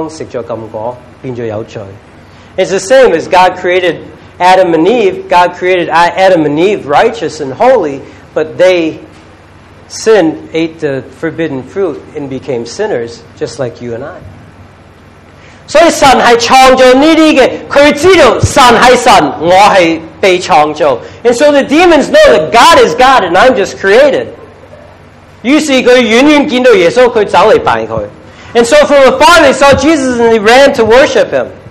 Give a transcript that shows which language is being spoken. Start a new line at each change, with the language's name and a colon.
Cantonese: 好像神创造人一样，神创造你我，亚当夏娃原本是善良，但亚当吃了禁果，变成有罪。
English: It's the same as God created Adam and Eve. God created Adam and Eve righteous and holy, but they sin, ate the forbidden fruit, and became sinners, just like you and I.
Cantonese: 所以神是创造这些的，他知道神是神，我是被创造。
English: And so the demons know that God is God, and I'm just created.
Cantonese: 于是他远远见到耶稣，他走来拜他。
English: And so from afar they saw Jesus, and they ran to worship him.